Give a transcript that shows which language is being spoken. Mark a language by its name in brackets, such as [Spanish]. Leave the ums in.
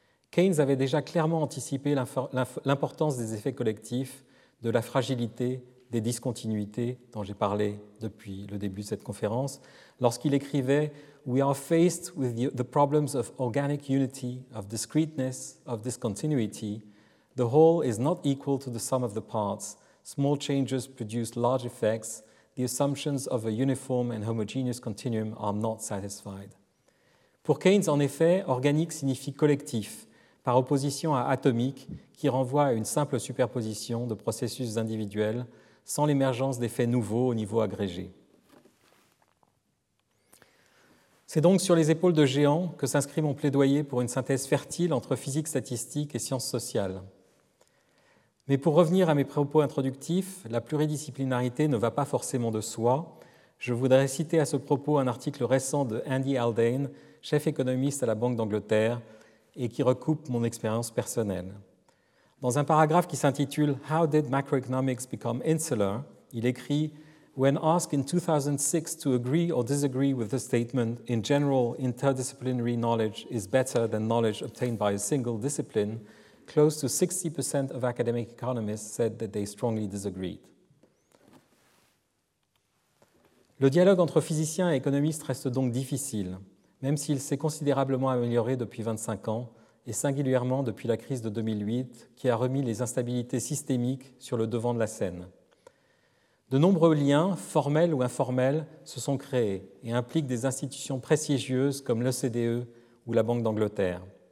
[French] Keynes avait déjà clairement anticipé l'importance des effets collectifs, de la fragilité des discontinuités dont j'ai parlé depuis le début de cette conférence, lorsqu'il écrivait [English] We are faced with the problems of organic unity, of discreteness, of discontinuity. The whole is not equal to the sum of the parts. Small changes produce large effects. The assumptions of a uniform and homogeneous continuum are not satisfied. [French] Pour Keynes, en effet, organique signifie collectif, par opposition à atomique, qui renvoie à une simple superposition de processus individuels sans l'émergence d'effets nouveaux au niveau agrégé. C'est donc sur les épaules de géants que s'inscrit mon plaidoyer pour une synthèse fertile entre physique statistique et sciences sociales. Mais pour revenir à mes propos introductifs, la pluridisciplinarité ne va pas forcément de soi. Je voudrais citer à ce propos un article récent de Andy Haldane, chef économiste à la Banque d'Angleterre, et qui recoupe mon expérience personnelle. Dans un paragraphe qui s'intitule [English] How did macroeconomics become insular [French] il écrit [English] When asked in 2006 to agree or disagree with the statement, in general, interdisciplinary knowledge is better than knowledge obtained by a single discipline, close to 60% of academic economists said that they strongly disagreed. [French] Le dialogue entre physiciens et économistes reste donc difficile, même s'il s'est considérablement amélioré depuis 25 ans et singulièrement depuis la crise de 2008, qui a remis les instabilités systémiques sur le devant de la scène. De nombreux liens, formels ou informels, se sont créés et impliquent des institutions prestigieuses comme l'OCDE ou la Banque d'Angleterre.